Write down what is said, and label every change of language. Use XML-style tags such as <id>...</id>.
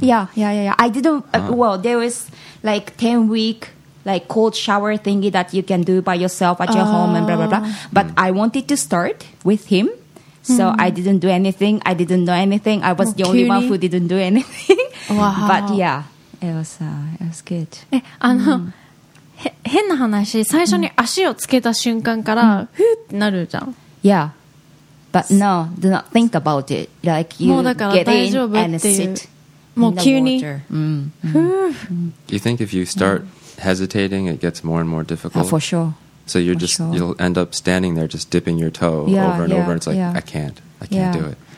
<en>Yeah. I didn't... Well, there was like 10 week like cold shower thingy that you can do by yourself at your home and blah, blah, blah. But I wanted to start with him. So I didn't do anything. I didn't know anything. I was the only one who didn't do anything. Wow. But yeah, it was good.</en> <ja>あの、変な話、最初に足をつけた瞬間からふーってなるじゃん。</ja> <en>Yeah. But no, do not think about it. Like you get in and sit in the water. Do you think if you start hesitating, it gets more and more difficult? For sure. So you're just, you'll end up standing there just dipping your toe over and over. And it's like, I can't do it.</en>